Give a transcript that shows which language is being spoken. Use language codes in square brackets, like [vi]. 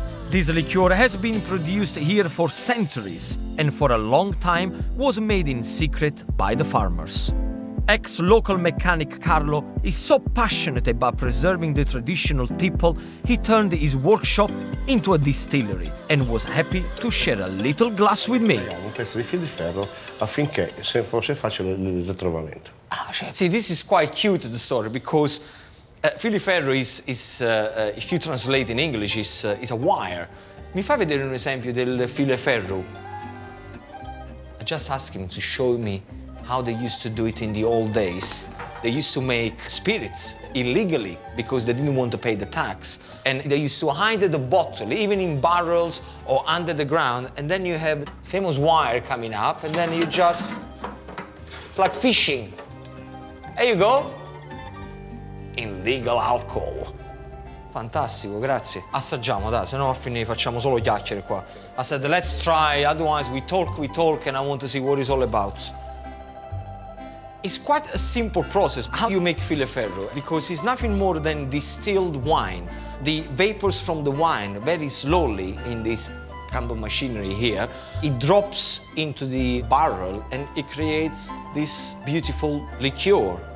[en] This liqueur has been produced here for centuries and for a long time was made in secret by the farmers. Ex-local mechanic Carlo is so passionate about preserving the traditional tipple, he turned his workshop into a distillery and was happy to share a little glass with me. [it] Un pezzo di filo di ferro affinché se fosse facile il ritrovamento. [en] See, this is quite cute, the story, because filo di ferro is if you translate in English, is a wire. [it] Mi fai vedere un esempio del filo di ferro? [en] I just asked him to show me how they used to do it in the old days. They used to make spirits illegally because they didn't want to pay the tax. And they used to hide the bottle, even in barrels or under the ground, and then you have famous wire coming up, and then you just, it's like fishing. There you go. Illegal alcohol. [it] Fantastico, grazie. Assaggiamo, dai, sennò a fine facciamo solo chiacchiere qua. [en] I said, let's try, otherwise we talk, and I want to see what it's all about. It's quite a simple process, how you make filo di ferro, because it's nothing more than distilled wine. The vapors from the wine, very slowly, in this kind of machinery here, it drops into the barrel and it creates this beautiful liqueur.